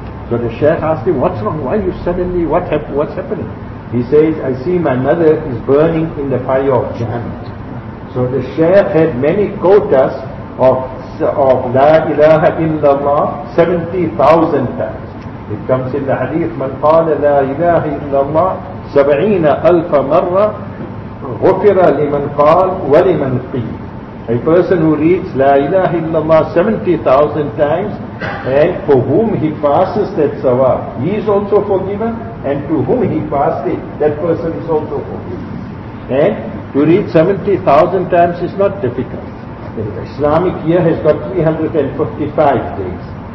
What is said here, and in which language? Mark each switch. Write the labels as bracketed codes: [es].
[en] So the Shaykh asked him, what's wrong? Why you suddenly, what's happening? He says, I see my mother is burning in the fire of Jahannam. So the Shaykh had many quotas of La ilaha illallah 70,000 times. It comes in the hadith, [ar] من قال لا إله إلا الله 70,000 مرة غفر لمن قال ولمن قيل. [en] A person who reads La ilaha illallah 70,000 times, and for whom he passes that sawab, he is also forgiven, and to whom he passed it, that person is also forgiven. And to read 70,000 times is not difficult. The Islamic year has got 355 days.